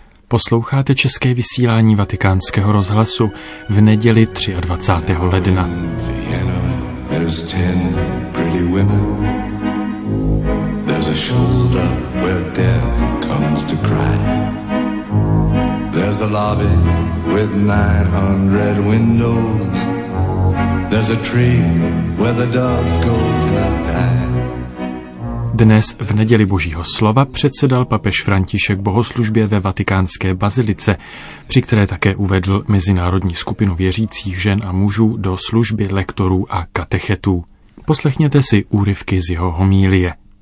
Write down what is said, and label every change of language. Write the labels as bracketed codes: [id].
[cs] Posloucháte české vysílání Vatikánského rozhlasu v neděli 23. ledna. [en] Vienna, there's 10 pretty women. There's a shoulder where death comes to cry. There's a lobby with 900 windows. There's a tree where the dogs go to die. [cs] Dnes v neděli Božího slova předsedal papež František bohoslužbě ve Vatikánské bazilice, při které také uvedl mezinárodní skupinu věřících žen a mužů do služby lektorů a katechetů. Poslechněte si úryvky z jeho homílie.